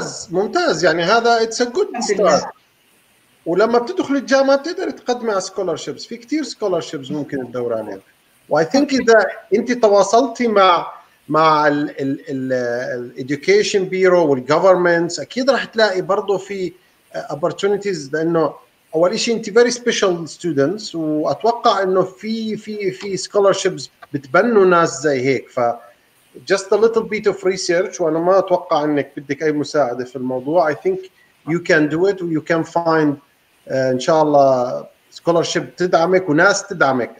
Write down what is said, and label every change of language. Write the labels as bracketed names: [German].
[Arabic] ممتاز يعني هذا [English] it's a good start. [Arabic] ولما بتدخل الجامعة بتقدر تقدم على سكولارشيبس، في كتير سكولارشيبس ممكن تدور عليها. [English] واي ثينك [Arabic] إذا أنت تواصلتي مع الـ [English] education bureau [Arabic] والgovernments أكيد راح تلاقي برضو في opportunities، لأنه اول شيء انت [English] very special students, [Arabic] واتوقع انه في في في سكولرشيبس بتبنوا ناس زي هيك، ف [English] just a little bit of research، [Arabic] وانا ما اتوقع انك بدك اي مساعده في الموضوع. [English] I think you can do it and you can find [Arabic] ان شاء الله [English] scholarship [Arabic] تدعمك وناس تدعمك.